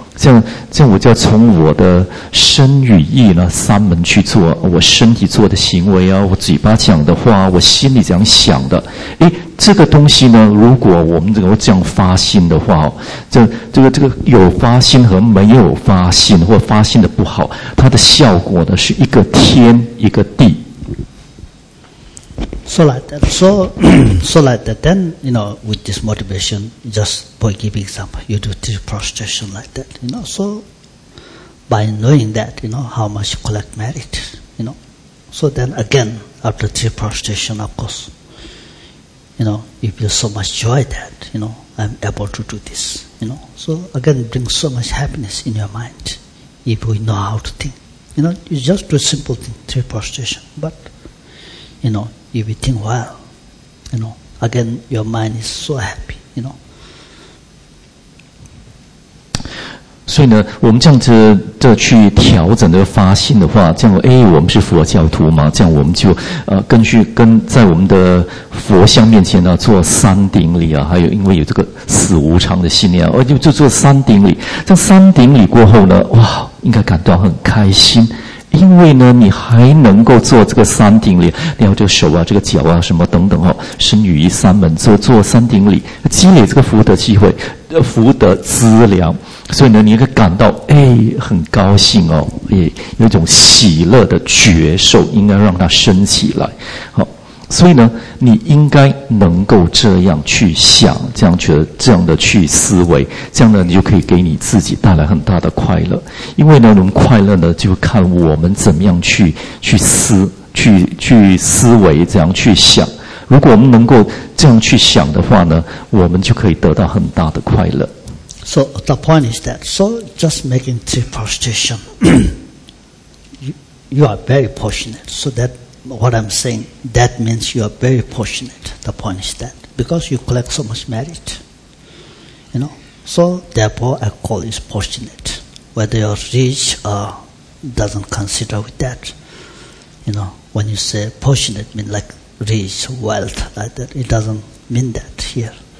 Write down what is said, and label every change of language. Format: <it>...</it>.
<zh>这样我就要从我的身与意呢三门去做，我身体做的行为啊，我嘴巴讲的话，我心里怎样想的，诶，这个东西呢，如果我们能够这样发心的话，这个有发心和没有发心，或发心的不好，它的效果呢是一个天一个地。</zh> <en>So like that, then, you know, with this motivation, just by giving example, you do this prostration like that, you know. So, by knowing that, you know, how much you collect merit, you know. So then again, after this prostration, of course, you know, you feel so much joy that, you know, I'm able to do this, you know. So again, it brings so much happiness in your mind, if we know how to think. You know, you just do a simple thing, this prostration, but, you know,if you think well, you know, again, your mind is so happy, you know.</en> <zh>所以呢，我们这样子的去调整这个发心的话，这样，哎，我们是佛教徒嘛，这样我们就根据在我们的佛像面前呢做三顶礼啊，还有因为有这个死无常的信念，就做三顶礼。这三顶礼过后呢，哇，应该感到很开心。因为呢，你还能够做这个三顶礼，你要这个手啊、这个脚啊、什么等等哦，身与意三门做三顶礼，积累这个福德机会、福德资粮，所以呢，你会感到哎很高兴哦，哎，有一种喜乐的觉受，应该让它升起来。好，所以呢，你应该能够这样去想，这样觉得，这样的去思维，这样呢，你就可以给你自己带来很大的快乐。因为呢，我们快乐呢，就看我们怎么样去思维，怎样去想。如果我们能够这样去想的话呢，我们就可以得到很大的快乐。</zh> <en>So the point is that, so just making three prostration, you are very fortunate. So that. What I'm saying, that means you are very fortunate, the point is that, because you collect so much merit, you know. So, therefore, I call it fortunate. Whether you're rich or doesn't consider with that, you know, when you say fortunate, mean like rich, wealth, like that, it doesn't mean that here.</en>